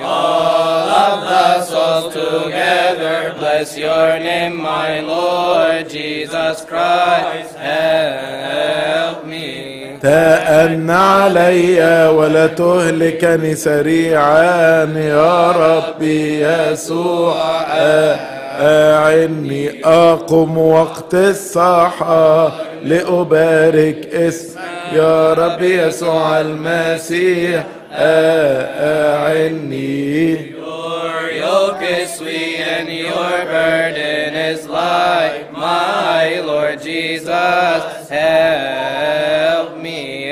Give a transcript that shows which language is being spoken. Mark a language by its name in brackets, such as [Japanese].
[English] All of the souls together bless your name, my Lord Jesus Christ, help me. [Arabic] تأن علي ولا تهلكني سريعا يا ربي يسوع أعني. أقم وقت الصحة لأبارك اسم يا ربي يسوع المسيح أعني. [English] Your yoke is sweet and your burden is light, my Lord Jesus, help me.